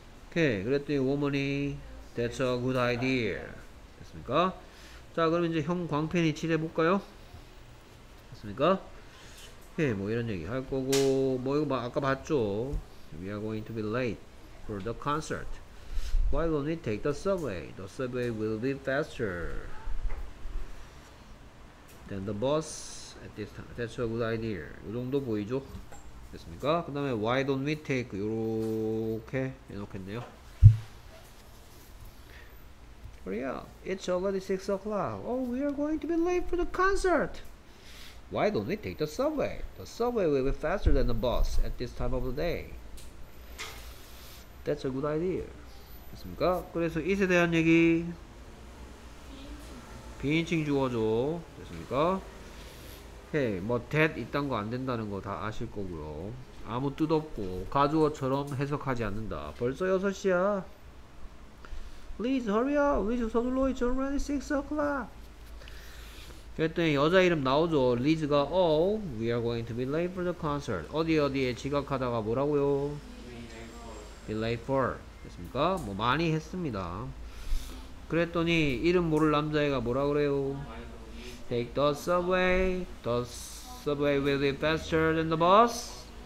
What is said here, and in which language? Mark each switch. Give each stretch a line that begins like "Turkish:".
Korean: 오케이. 그랬더니 워머니
English: That's a good idea.
Korean: 됐습니까? 자 그럼 이제 형 광팬이 칠해볼까요? 됐습니까? 오케이. 뭐 이런 얘기 할 거고 뭐 이거 아까 봤죠?
English: We are going to be late for the concert. Why don't we take the subway? The subway will be faster. Then the bus at this time. That's a good idea.
Korean: 요 정도 보이죠? 됐습니까? 그 다음에
English: why don't we take
Korean: 요렇게 해놓겠네요.
English: Hurry up. It's already 6 o'clock. Oh, we are going to be late for the concert. Why don't we take the subway? The subway will be faster than the bus at this time of the day. That's a good idea.
Korean: 됐습니까? 그래서 it에 대한 얘기. 비인칭 주어죠. 됐습니까? Hey, 뭐 that 있단 거 안 된다는 거 다 아실 거고요. 아무 뜻 없고 가주어처럼 해석하지 않는다. 벌써 6시야.
English: Please hurry up. Please
Korean: 서둘러.
English: It's already 6 o'clock.
Korean: 그랬더니 여자 이름 나오죠.
English: 리즈가 Oh, we are going to be late for the concert.
Korean: 어디 어디에 지각하다가 뭐라고요?
English: Be late for.
Korean: 됐습니까? 뭐 많이 했습니다. 그랬더니 이름 모를 남자애가 뭐라 그래요?
English: Take the subway. The subway will be faster than the bus.